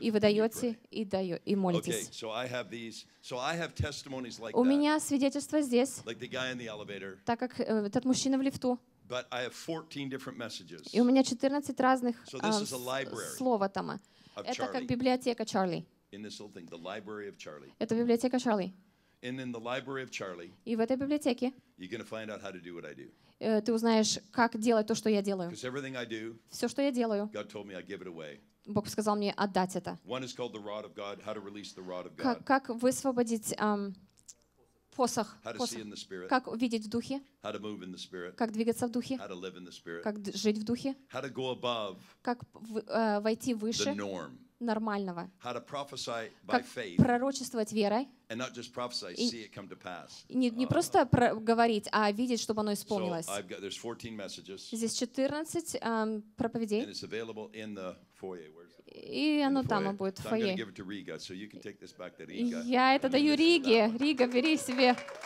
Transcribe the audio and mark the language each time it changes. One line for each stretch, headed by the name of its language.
Russian: И вы даете и даю и молитесь.
English: Okay, so I have these. So I have testimonies like that.
Russian: У меня свидетельства здесь.
English: Like the guy in the elevator.
Russian: Так как этот мужчина в лифту.
English: But I have 14 different messages.
Russian: И у меня 14 разных слова там. Это как библиотека Чарли.
English: In this little thing, the library of Charlie.
Russian: Это библиотека Чарли.
English: And in the library of Charlie.
Russian: И в этой библиотеке.
English: You're gonna find out how to do what I do.
Russian: Ты узнаешь, как делать то, что я делаю.
English: Because everything I do.
Russian: Все, что я делаю.
English: God told me I give it away.
Russian: Бог сказал мне отдать это.
English: One is called the rod of God. How to release the rod of God.
Russian: Как высвободить посох,
English: how to see in the spirit,
Russian: как увидеть в духе,
English: how to move in the spirit,
Russian: как двигаться в духе,
English: how to live in the spirit,
Russian: как жить в духе,
English: how to go above,
Russian: как войти выше
English: the norm,
Russian: нормального,
English: how to prophesy by faith,
Russian: пророчествовать верой,
English: and not just prophesy, и see it come to pass.
Russian: Не просто говорить, а видеть, чтобы оно исполнилось.
English: So I've got, there's 14 messages,
Russian: здесь 14 проповедей,
English: and it's available in the foyer.
Russian: И оно там будет, в фойе.
English: So to Riga, so
Russian: я это даю Риге. Рига, бери себе.